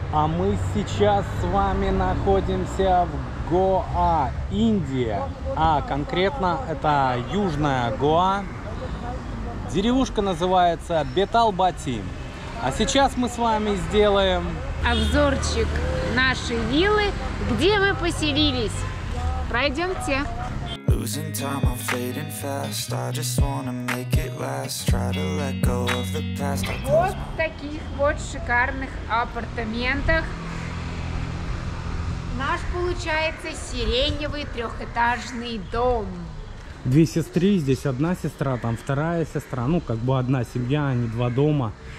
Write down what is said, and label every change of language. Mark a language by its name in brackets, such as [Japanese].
[Russian] А мы сейчас с вами находимся в Гоа, Индия. А конкретно это Южная Гоа. Деревушка называется Беталбати. А сейчас мы с вами сделаем обзорчик нашей виллы, где мы поселились. Пройдемте. [English] Losing time, I'm fading fast. I just wanna make it last. Try to let go of the past. [Russian] Вот в таких вот шикарных апартаментах наш получается сиреневый трехэтажный дом. Две сестры, здесь одна сестра, там вторая сестра. Ну, как бы одна семья, они два дома.